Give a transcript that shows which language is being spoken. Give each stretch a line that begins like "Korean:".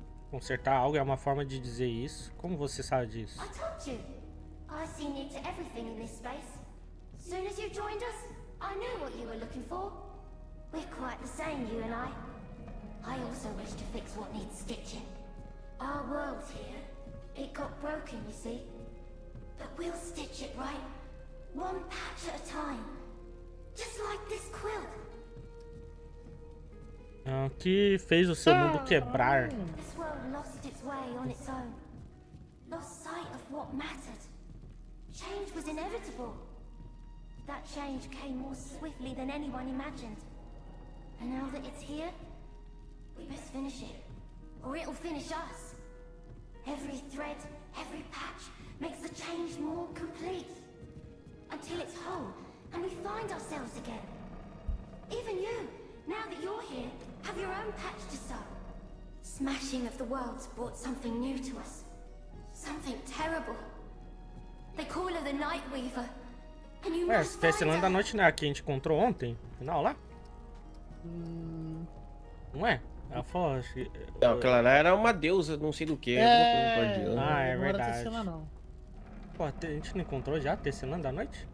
Portuguese: Consertar algo é uma forma de dizer isso. Como você sabe disso? Eu te disse. Eu vi tudo nesse espaço.
English: Soon as you joined us, I knew what you were looking for. We're quite the same, you and I. I also wish to fix what needs stitching. Our world here, it got broken, you see. But we'll stitch it right. One patch at a time. Just like this quilt.
Portuguese: Ah, que fez o seu mundo quebrar?
English: This world lost its way on its own. Lost sight of what mattered. Change was inevitable. That change came more swiftly than anyone imagined. And now that it's here, we must finish it. Or it'll finish us. Every thread, every patch makes the change more complete. Until it's whole, and we find ourselves again. Even you, now that you're here, have your own patch to sew. Smashing of the worlds brought something new to us. Something terrible. They call her the Night Weaver.
Portuguese: Ué, esse Tecilão da Noite não é a que a gente encontrou ontem? Não, lá? Não é? Ela falou assim. Não, aquela lá era uma deusa, não sei do que. Ah, é verdade. Pô, a gente não encontrou já a tecelã da noite?